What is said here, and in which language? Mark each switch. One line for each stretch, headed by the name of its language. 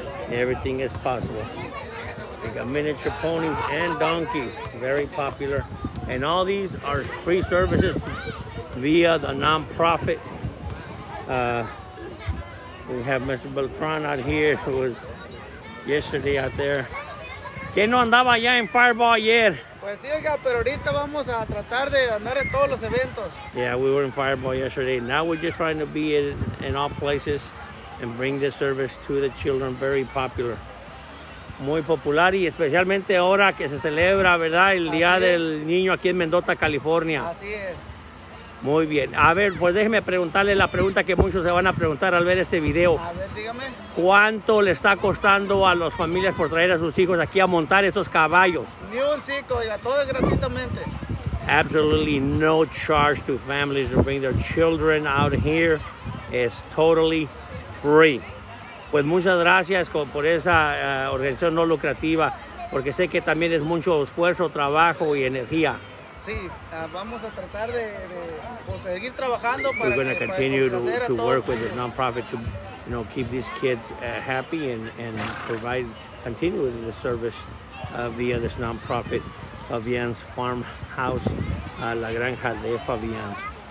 English: Everything is possible. We got miniature ponies and donkeys, very popular. And all these are free services via the nonprofit. We have Mr. Beltran out here who is yesterday out there.
Spanish: ¿Quién no andaba allá en Fireball ayer? Pues sí, oiga, pero ahorita vamos a tratar de andar en todos los eventos.
English: Yeah, we were in Fireball yesterday. Now we're just trying to be in all places and bring this service to the children. Very popular.
Spanish: Muy popular, y especialmente ahora que se celebra, ¿verdad?, el Día del Niño aquí en Mendota, California. Así es. Muy bien. A ver, pues déjeme preguntarle la pregunta que muchos se van a preguntar al ver este video. A ver, dígame. ¿Cuánto le está costando a las familias por traer a sus hijos aquí a montar estos caballos? Ni un cinco, oiga, todo gratuitamente.
English: Absolutely no charge to families to bring their children out here. It's totally free.
Spanish: Pues muchas gracias por esa organización no lucrativa, porque sé que también es mucho esfuerzo, trabajo y energía. Sí, vamos a tratar de seguir trabajando para
English: We're going to continue to work with this nonprofit to, you know, keep these kids happy and provide, continue with the service via this nonprofit, Fabian's Farmhouse, La Granja de Fabian.